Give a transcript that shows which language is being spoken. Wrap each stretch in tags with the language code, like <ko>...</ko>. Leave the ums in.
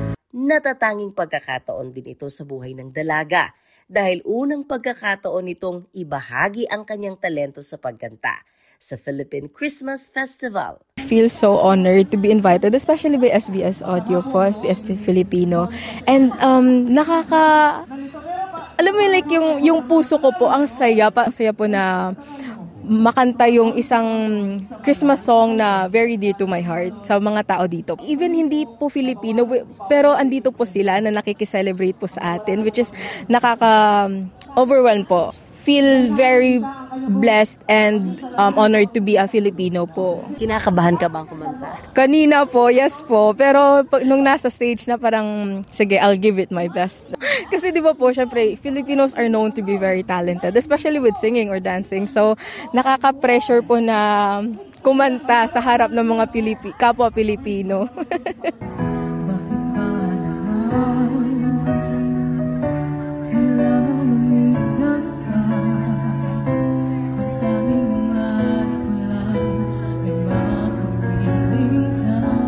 <tl>Natatanging pagkakataon din ito sa buhay ng dalaga dahil unang pagkakataon nitong ibahagi ang kanyang talento sa pagkanta sa Philippine Christmas Festival.</tl> <en>feel so honored to be invited, especially by SBS Audio po, SBS Filipino. And um, nakaka...</en> <tl>Alam mo yun, like yung, yung puso ko po, ang saya pa. Ang saya po na makanta yung isang Christmas song na</tl> <en>very dear to my heart</en> <tl>sa mga tao dito. Even hindi po Filipino, wi- pero andito po sila na nakikiselebrate po sa atin,</tl> <en>which is</en> <tl>nakaka-overwhelm po.</tl> <en>Feel very blessed and um, honored to be a Filipino po.</en> <tl>Kinakabahan ka bang kumanta? Kanina po, yes po. Pero pag, nung nasa stage na parang, sige,</tl> <en>I'll give it my best.</en> <tl>Kasi di ba po, syempre,</tl> <en>Filipinos are known to be very talented, especially with singing or dancing.</en> <tl>So, nakaka-pressure po na kumanta sa harap ng mga Pilipi, kapwa Pilipino. Bakit ba naman kailangan lumisan pa? Ang tanging hangat ko lang ay makapiling ka.</tl>